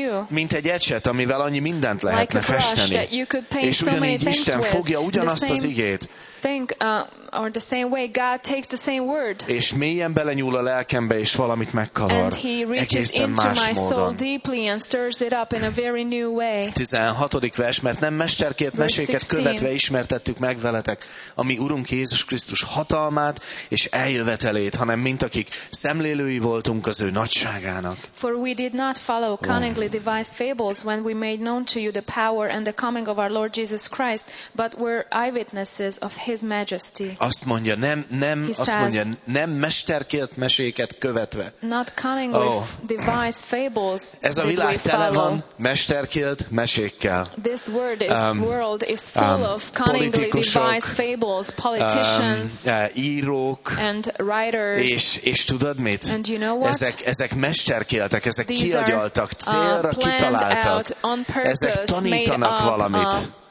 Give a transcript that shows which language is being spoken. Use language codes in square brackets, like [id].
[hu] Mint egy ecset, amivel annyi mindent lehetne festeni. És ugyanígy Isten fogja ugyanazt az igét. [en] or the same way God takes the same word. [hu] És mélyen belenyúl a lelkembe és valamit megkavar. [en] And he reaches into my soul deeply and stirs it up in a very new way. [hu] 16. vers, mert nem mesterkért meséket követve ismertettük meg veletek a mi Urunk Jézus Krisztus hatalmát és eljövetelét, hanem mint akik szemlélői voltunk az ő nagyságának. [en] For we did not follow cunningly devised fables when we made known to you the power and the coming of our Lord Jesus Christ, but were eyewitnesses of his majesty. [hu] Azt mondja, nem he azt says, mondja, nem mesterkélt meséket követve. [en] Not cunningly devised fables. [hu] Ez a világ tele van mesterkélt mesékkel. [en] This world is full of cunningly devised fables, politicians, [hu] írók [en] and writers. [hu] És tudod mit? [en] And you know what? [hu] Ezek mesterkéltek, ezek kiagyaltak, célra kitaláltak. Ezek tanítanak valamit.